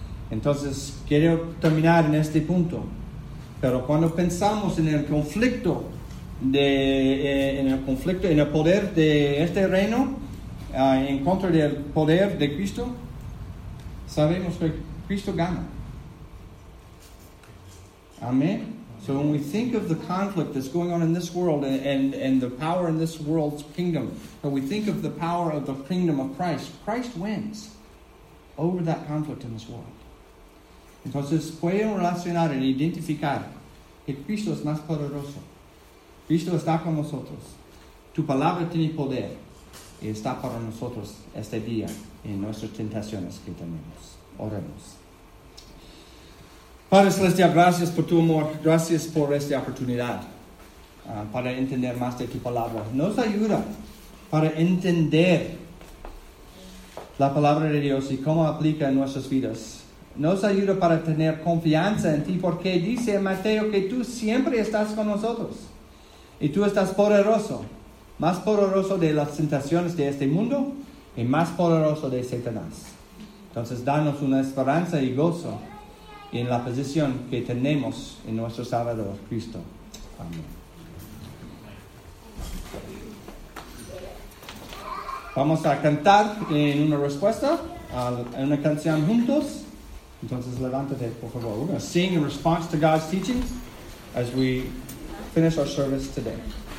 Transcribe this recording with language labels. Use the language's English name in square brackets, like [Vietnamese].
[Spanish] Entonces, quiero terminar en este punto, pero cuando pensamos en el conflicto en el poder de este reino en contra del poder de Cristo, sabemos que Cristo gana. Amén. [English] So when we think of the conflict that's going on in this world and the power in this world's kingdom, when we think of the power of the kingdom of Christ, Christ wins over that conflict in this world. [Spanish] Entonces, pueden relacionar y identificar que Cristo es más poderoso. Cristo está con nosotros. Tu palabra tiene poder y está para nosotros este día en nuestras tentaciones que tenemos. Oremos. Padre Celestial, gracias por tu amor, gracias por esta oportunidad para entender más de tu palabra. Nos ayuda para entender la palabra de Dios y cómo aplica en nuestras vidas. Nos ayuda para tener confianza en ti, porque dice Mateo que tú siempre estás con nosotros. Y tú estás poderoso, más poderoso de las tentaciones de este mundo y más poderoso de Satanás. Entonces, danos una esperanza y gozo en la posición que tenemos en nuestro Salvador, Cristo. Amén. Vamos a cantar en una respuesta a una canción juntos. Entonces, levántate, por favor. [English] We're going to sing in response to God's teachings as we finish our service today.